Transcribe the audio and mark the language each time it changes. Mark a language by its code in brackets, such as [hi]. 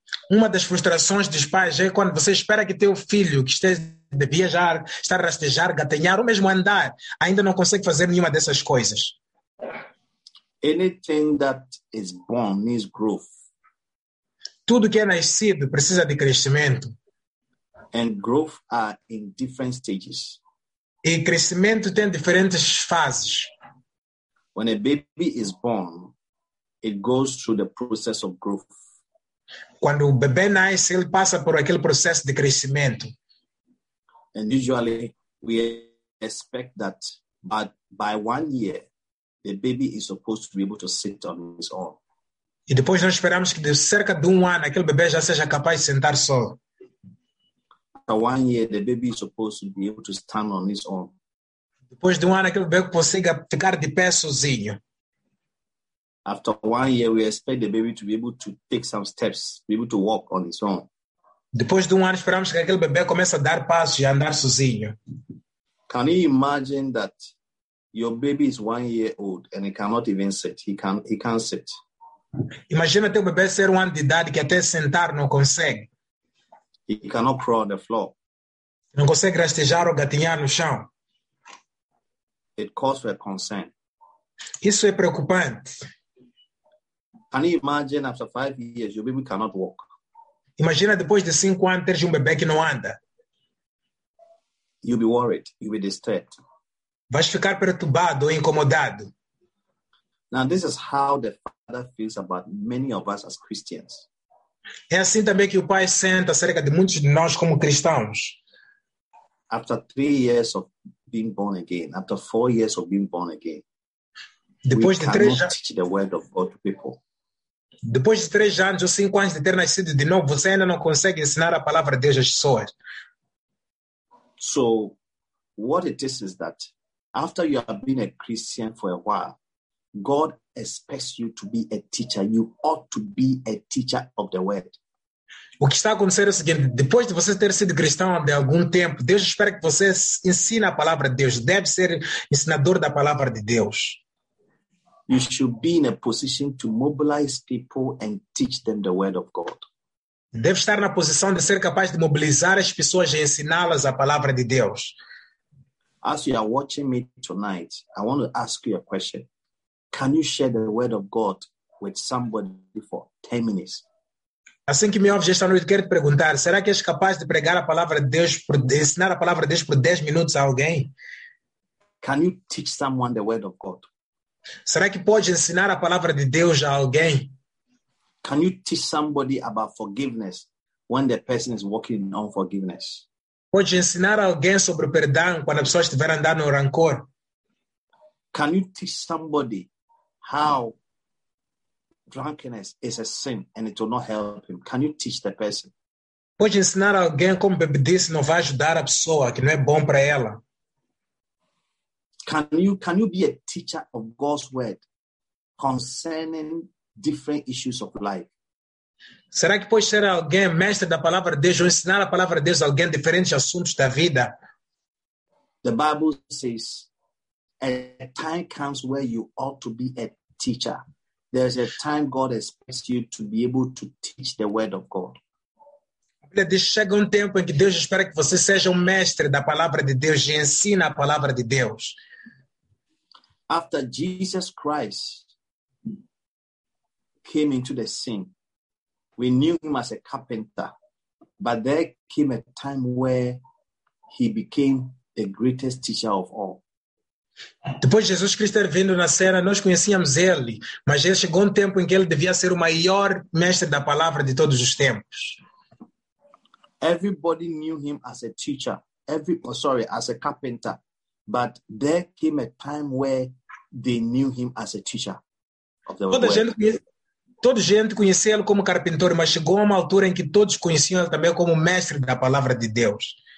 [pt] Uma das frustrações dos pais é quando você espera que teu filho, que esteja de viajar, estar a rastejar, gatinhar ou mesmo andar, ainda não consegue fazer nenhuma dessas coisas. [en] Anything that is born needs growth. [pt] Tudo que é nascido precisa de crescimento. [en] And growth are in different stages. [pt] E crescimento tem diferentes fases. [en] When a baby is born, it goes through the process of growth. [pt] Quando o bebê nasce, ele passa por aquele processo de crescimento. [en] And usually we expect that by 1 year, the baby is supposed to be able to sit on his own. [pt] E depois nós esperamos que de cerca de 1 ano aquele bebê já seja capaz de sentar só. [en] After 1 year, the baby is supposed to be able to stand on his own. [pt] Depois de 1 ano aquele bebê consiga ficar de pé sozinho. [en] After 1 year, we expect the baby to be able to take some steps, be able to walk on his own. [pt] Depois de 1 ano, esperamos que aquele bebê comece a dar passos e andar sozinho. [en] Can you imagine that your baby is 1 year old and he cannot even sit? He can't sit. [pt] Imagina teu bebê ser 1 ano de idade que até sentar não consegue. [en] He cannot crawl on the floor. [pt] Não consegue rastejar ou gatinhar no chão. [en] It calls for concern. [pt] Isso é preocupante. [en] Can you imagine after 5 years your baby cannot walk? [pt] Imagina depois de 5 anos ter bebê que não anda. [en] You'll be worried. You'll be distressed. [pt] Vais ficar perturbado ou incomodado. [en] Now this is how the father feels about many of us as Christians. [pt] É assim também que o pai sente acerca de muitos de nós como cristãos. [en] After 3 years of being born again, after 4 years of being born again, [pt] depois de 3 anos, [en] we cannot teach the word of God to people. [pt] Depois de 3 anos ou 5 anos de ter nascido de novo, você ainda não consegue ensinar a palavra de Deus às pessoas. [en] So, what it is that after you have been a Christian for a while, God expects you to be a teacher. You ought to be a teacher of the word. [pt] O que está acontecendo é o seguinte: depois de você ter sido cristão há algum tempo, Deus espera que você ensine a palavra de Deus. Deve ser ensinador da palavra de Deus. [en] You should be in a position to mobilize people and teach them the word of God. [pt] Deve estar na posição de ser capaz de mobilizar as pessoas e ensiná-las a palavra de Deus. [en] As you are watching me tonight, I want to ask you a question. Can you share the word of God with somebody for 10 minutes? [pt] Assim que me ouves esta noite, quero te perguntar, será que és capaz de pregar a palavra de Deus, de ensinar a palavra de Deus por 10 minutos a alguém? [en] Can you teach someone the word of God? [pt] Será que pode ensinar a palavra de Deus a alguém? [en] Can you teach somebody about forgiveness when the person is walking in unforgiveness? [pt] Pode ensinar alguém sobre o perdão quando a pessoa estiver andando no rancor? [en] Can you teach somebody how drunkenness is a sin and it will not help him? Can you teach the person? [pt] Pode ensinar alguém como bebedice não vai ajudar a pessoa, que não é bom para ela? [en] Can you be a teacher of God's word concerning different issues of life? [pt] Será que pode ser alguém mestre da palavra de Deus ou ensinar a palavra de Deus a alguém diferentes assuntos da vida? [en] The Bible says, a time comes where you ought to be a teacher. There's a time God expects you to be able to teach the word of God. [pt] A Bíblia diz, chega tempo em que Deus espera que você seja mestre da palavra de Deus e ensina a palavra de Deus. [en] After Jesus Christ came into the scene, we knew him as a carpenter, but there came a time where he became the greatest teacher of all. [pt] Depois de Jesus Cristo ter vindo na cena, nós conhecíamos ele, mas ele chegou um tempo em que ele devia ser o maior mestre da palavra de todos os tempos. [en] Everybody knew him as a teacher, as a carpenter, but there came a time where they knew him as a teacher of the world. [pt] Toda gente conhecia ele como carpintor, mas chegou a uma altura em que todos conheciam ele também como mestre da palavra de Deus.